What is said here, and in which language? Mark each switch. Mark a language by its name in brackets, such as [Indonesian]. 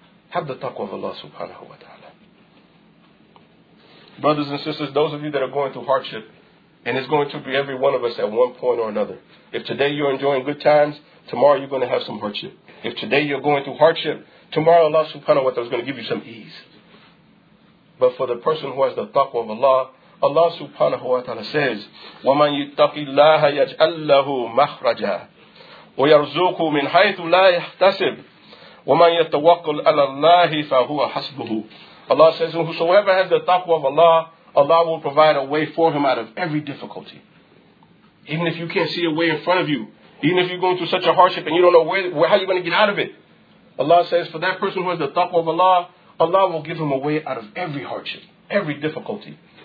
[English] Have the taqwa of Allah subhanahu wa ta'ala. Brothers and sisters, those of you that are going through hardship, and it's going to be every one of us at one point or another. If today you're enjoying good times, tomorrow you're going to have some hardship. If today you're going through hardship, tomorrow Allah subhanahu wa ta'ala is going to give you some ease. But for the person who has the taqwa of Allah, Allah subhanahu wa ta'ala says, [Arabic] وَمَنْ يُتَّقِ اللَّهَ يَجْعَلْ لَهُ مَخْرَجًا وَيَرْزُقُهُ مِنْ حَيْثُ لَا يَحْتَسِبُ وَمَنْ يَتَوَقَّلْ عَلَى اللَّهِ فَهُوَ حَسْبُهُ. [English] Allah says, whosoever has the taqwa of Allah, Allah will provide a way for him out of every difficulty. Even if you can't see a way in front of you, even if you're going through such a hardship and you don't know where, how you're going to get out of it, Allah says, for that person who has the taqwa of Allah, Allah will give him a way out of every hardship, every difficulty.